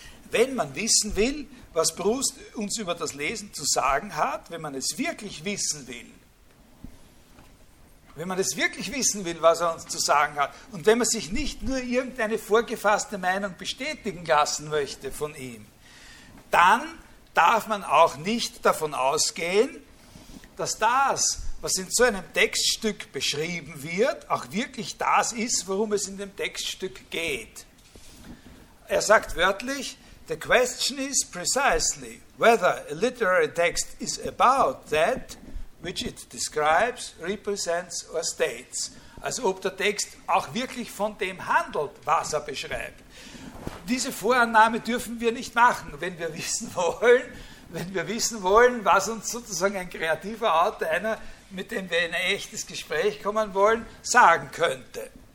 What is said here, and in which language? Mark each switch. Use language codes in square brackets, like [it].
[de] Wenn man wissen will, was Proust uns über das Lesen zu sagen hat, wenn man es wirklich wissen will, wenn man es wirklich wissen will, was er uns zu sagen hat, und wenn man sich nicht nur irgendeine vorgefasste Meinung bestätigen lassen möchte von ihm, dann darf man auch nicht davon ausgehen, dass das, was in so einem Textstück beschrieben wird, auch wirklich das ist, worum es in dem Textstück geht. Er sagt wörtlich, [en] the question is precisely whether a literary text is about that which it describes, represents or states. [de] Also ob der Text auch wirklich von dem handelt, was er beschreibt. Diese Vorannahme dürfen wir nicht machen, wenn wir wissen wollen, was uns sozusagen ein kreativer Autor, einer, mit dem wir in ein echtes Gespräch kommen wollen, sagen könnte.